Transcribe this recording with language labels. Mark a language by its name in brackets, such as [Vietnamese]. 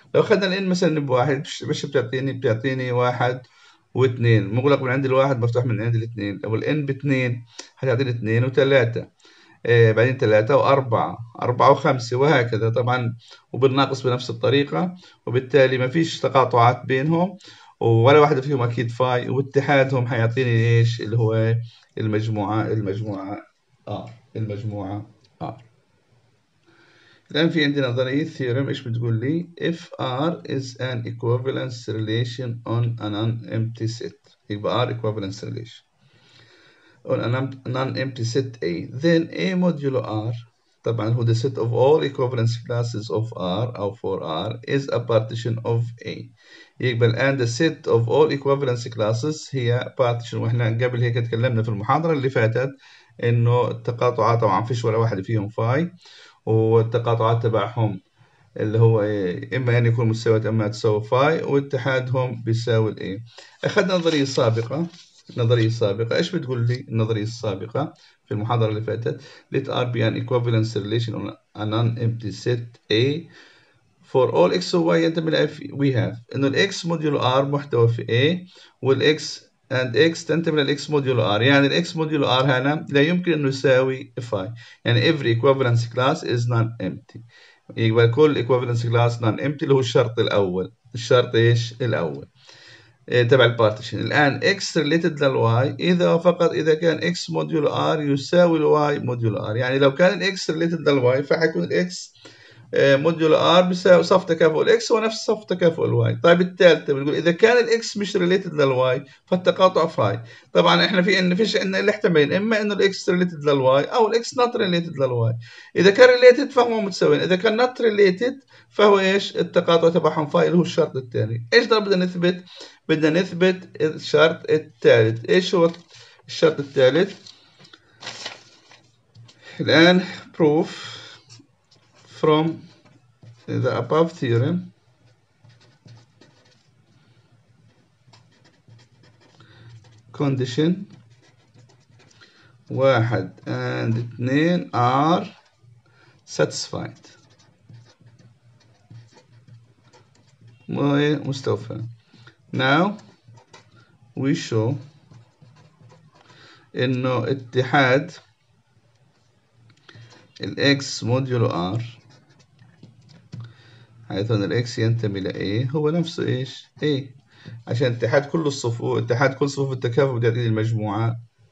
[Arabic] لو أخذنا الـ n مثلا بواحد، مش بتعطيني، بتعطيني واحد واثنين، مغلق من عند الواحد مفتوح من عند الاثنين، لو الـ n باثنين هتعطيني اثنين وثلاثة، بعدين ثلاثة وأربعة، أربعة وخمسة وهكذا طبعا، وبالناقص بنفس الطريقة، وبالتالي ما فيش تقاطعات بينهم ولا واحدة فيهم أكيد فاي، واتحادهم حيعطيني إيش اللي هو المجموعة، المجموعة R، المجموعة R. الآن في عندنا نظرية theorem إيش بتقول لي؟ [English] if R is an equivalence relation on an empty set، [Arabic] يبقى R equivalence relation [English] on an non-empty set A، then A modulo R، [Arabic] طبعا هو [English] the set of all equivalence classes of R [Arabic] أو [English] for R is a partition of A، [Arabic] يبقى الآن [English] the set of all equivalence classes [Arabic] هي partition، وإحنا قبل هيك تكلمنا في المحاضرة اللي فاتت إنه التقاطعات طبعا فيش ولا واحد فيهم فاي، والتقاطعات تبعهم اللي هو إما أن يكون متساوي إما تساوي فاي، واتحادهم بيساوي الـ A. أخذنا نظرية سابقة، النظرية السابقة إيش بتقول لي؟ النظرية السابقة في المحاضرة اللي فاتت [English] let R be an equivalence relation on a non-empty set A for all [Arabic] x و y ينتمي إلى F. [English] we have [Arabic] إنه الـ x modulo R محتوى في A والـ x and x تنتمي للـ x modulo R، يعني الـ x modulo R هنا لا يمكن إنه يساوي phi، يعني [English] every equivalence class is non-empty، [Arabic] يبقى كل equivalence class non-empty اللي هو الشرط الأول، الشرط إيش؟ الأول تبع البارتيشن. الآن x related لل y إذا فقط إذا كان x modulo r يساوي ال y modulo r، يعني لو كان ال x related لل y فحيكون ال x modulo r بيساوي صف تكافؤ ال x ونفس صف تكافؤ ال y. طيب الثالثة بنقول إذا كان ال x مش related لل y فالتقاطع فاي، طبعا إحنا في إن فيش عندنا الاحتمالين، إما إنه ال x related لل y أو ال x not related لل y، إذا كان related فهما متساويين، إذا كان not related فهو إيش؟ التقاطع تبعهم فاي اللي هو الشرط الثاني. إيش ده بدنا نثبت؟ بدنا نثبت الشرط الثالث. ايش هو الشرط الثالث؟ الان [English] proof from the above theorem condition [Arabic] واحد and اثنين [English] are satisfied، [Arabic] مستوفى. [English] Now we show [Arabic] إنه اتحاد ال x modulo r حيث أن ال x ينتمي إلى A هو نفسه إيش؟ A، عشان اتحاد كل الصفوف، اتحاد كل صفوف التكافؤ بتعطيني المجموعة A.